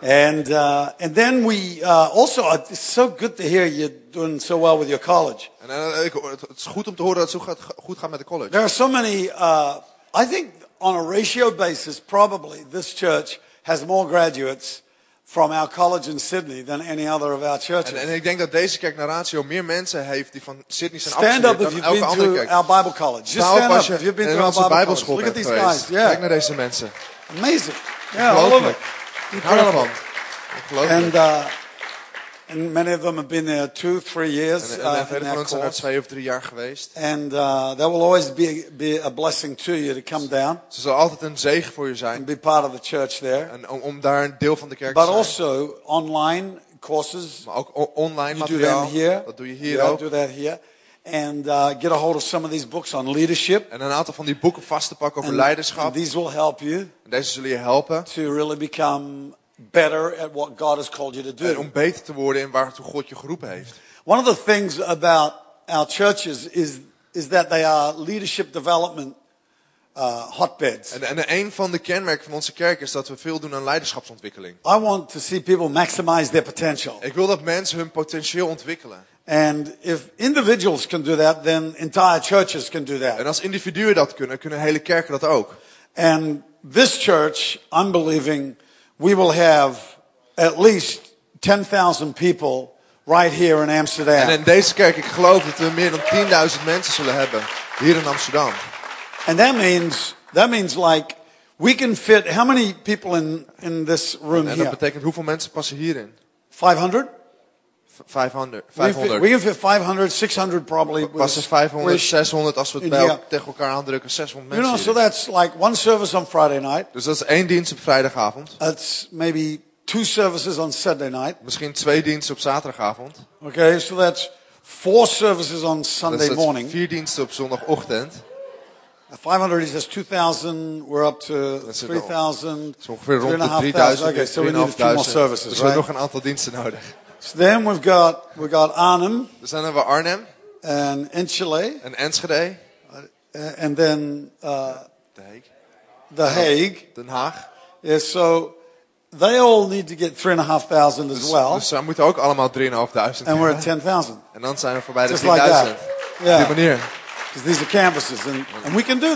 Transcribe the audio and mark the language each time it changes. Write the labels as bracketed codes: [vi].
[en] And then we also, it's so good to hear you doing so well with your college. [nl] Het is goed om te horen dat het goed gaat met de college. [en] There are so many, I think on a ratio basis, probably this church has more graduates from our college in Sydney than any other of our churches. [nl] En ik denk dat deze kerk naar ratio meer mensen heeft die van Sydney zijn afgestudeerd dan elke andere kerk. [en] Stand up if you've been to our Bible college. Just stand up if you've been to our Bible college. Look at these guys. Yeah. [nl] Kijk naar deze mensen. [en] Amazing. Yeah, I love it. Incredible. And many of them have been there 2-3 years. [nl] En veel van ons zijn er 2 of 3 jaar geweest. [en] And that will always be a blessing to you to come down. [nl] Ze zal altijd een zegen voor je zijn. [en] And be part of the church there. [nl] En om daar een deel van de kerk te [en] but [nl] zijn. [en] But also online courses. [nl] Maar ook online [en] you [nl] materiaal. [en] Do them here. [nl] Dat doe je hier [en] yeah, [nl] ook. [en] Do that here. And get a hold of some of these books on leadership. [nl] En een aantal van die boeken vast te pakken over leiderschap. [en] And these will help you. [nl] En deze zullen je helpen. [en] To really become better at what God has called you to do. [nl] En om beter te worden in waartoe God je geroepen heeft. [en] One of the things about our churches is that they are leadership development hotbeds. [nl] En een van de kenmerken van onze kerk is dat we veel doen aan leiderschapsontwikkeling. [en] I want to see people maximize their potential. [nl] Ik wil dat mensen hun potentieel ontwikkelen. [en] And if individuals can do that, then entire churches can do that. [nl] En als individuen dat kunnen hele kerken dat ook. [en] And this church, I'm believing, we will have at least 10,000 people right here in Amsterdam. [nl] En in deze kerk, ik geloof dat we meer dan 10.000 mensen zullen hebben hier in Amsterdam. [en] And that means like we can fit how many people in this room here? [nl] En dat betekent hoeveel mensen passen hierin? 500? 500. [en] We can fit 500, 600 probably. [nl] Was er 500, 600 als we het bij tegen elkaar aandrukken, 600 mensen. [en] You know, so that's like one service on Friday night. [nl] Dus dat is één dienst op vrijdagavond. [en] That's maybe two services on Saturday night. [nl] Misschien twee diensten op zaterdagavond. [en] Okay, so that's four services on Sunday morning. [nl] Dat is vier diensten op zondagochtend. [en] 500 is just 2,000. We're up to 3,000. [nl] Zo ongeveer rond de 3,000. [en] Okay, so we need a few more services, right? [nl] Dus we nog een aantal diensten nodig. [en] So then we've got Arnhem. [nl] Dus dan hebben we Arnhem. [en] And Enschede. [nl] En Enschede. [en] And then [nl] De Hague. [en] The Hague. [nl] Den Haag. [en] Yeah, so they all need to get 3,500 as well. [nl] Dus ze moeten ook allemaal 3,500. [en] And we're at 10,000. [nl] En dan zijn we voorbij de 10,000. [en] Yeah. [nl] Op die manier. [en] Because these are campuses, and we can do that.